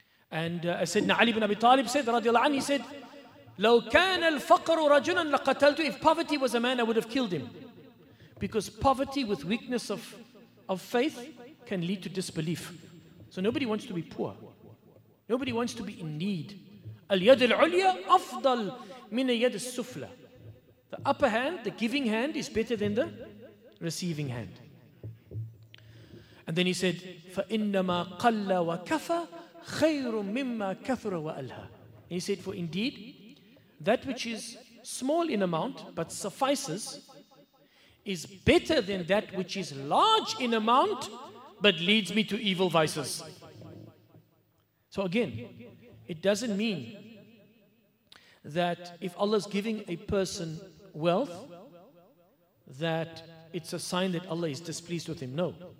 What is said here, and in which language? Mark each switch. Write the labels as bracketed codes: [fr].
[en] And Sayyidina Ali ibn Abi Talib said, radiallahu anhu, he said, [ar] لو كان الفقر رجلا لقتلته. [en] If poverty was a man, I would have killed him. Because poverty with weakness of faith can lead to disbelief. So nobody wants to be poor. Nobody wants to be in need. [ar] اليد العليا أفضل من اليد السفلى. [en] The upper hand, the giving hand, is better than the receiving hand. And then he said, [ar] فإنما قل وكفى خير مما كثر وألها. [en] And he said, for indeed, that which is small in amount but suffices is better than that which is large in amount but leads me to evil vices. So again, it doesn't mean that if Allah is giving a person wealth, that it's a sign that Allah is displeased with him. No.